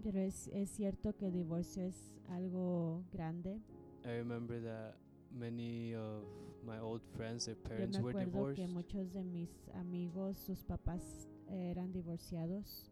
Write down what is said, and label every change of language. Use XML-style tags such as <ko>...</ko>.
<es>Pero es cierto que divorcio es algo grande.</es> <en>I remember that many of my old friends, their parents were divorced.</en> <es>Yo me acuerdo que muchos de mis amigos, sus papás eran divorciados.</es>